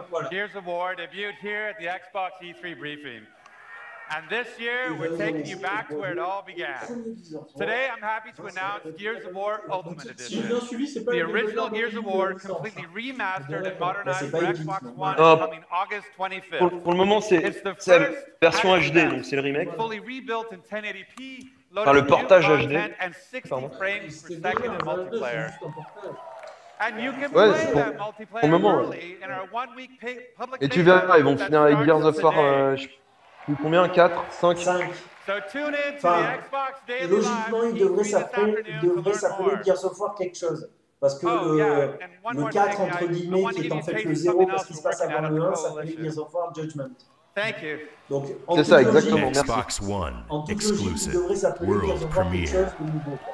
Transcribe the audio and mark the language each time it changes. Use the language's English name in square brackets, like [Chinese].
[English] Gears of War debuted here at the Xbox E3 briefing. And this year, we're taking you back to where it all began. Today, I'm happy to announce Gears of War Ultimate Edition. The original Gears of War completely remastered and modernized for Xbox One coming August 25th. [French] Pour le moment, c'est la version HD, donc c'est le remake. [English] Fully rebuilt in 1080p. [French] Enfin, le portage HD. [English] And 60 frames per second in multiplayer. And you can ouais, play that multiplayer moment, early in our one-week public. [French] Et tu verras, ils vont finir avec Gears of War, je sais plus combien, 4, 5, 5. [English] So tune in to the Xbox Daily Live. [French] Logiquement, il devrait s'appeler Gears of War quelque chose. Parce que le 4, entre guillemets, qui est en fait le 0 parce qu'il se passe avant le 1, s'appelle Gears of War Judgment. [English] Thank you. [French] Donc, c'est ça, logique, exactement. Merci. [English] Xbox One, exclusive. [French] Il devrait s'appeler World Gears of War quelque chose de nouveau.